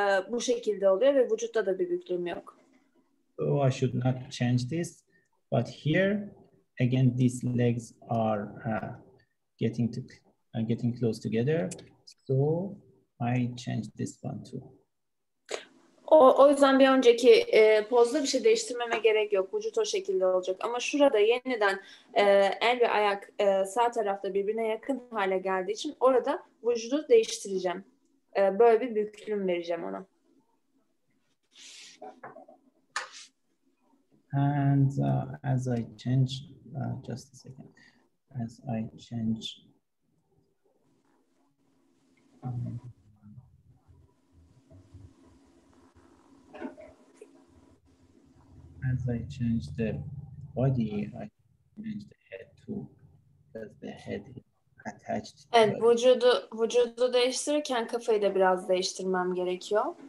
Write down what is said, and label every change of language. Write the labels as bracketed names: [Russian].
[Turkish] Bu şekilde oluyor ve vücutta da bir büklüm yok. [English] Oh, I should not change this. But here, again, these legs are getting close together. So I change this one too. [Turkish] O yüzden bir önceki pozda bir şey değiştirmeme gerek yok. Vücut o şekilde olacak. Ama şurada yeniden el ve ayak sağ tarafta birbirine yakın hale geldiği için orada vücudu değiştireceğim. Böyle bir büklüm vereceğim ona. [English] And as I change, just a second. As I change... As I change the body, I change the head too. Because the head is attached. [Turkish] Evet, vücudu değiştirirken kafayı da biraz değiştirmem gerekiyor.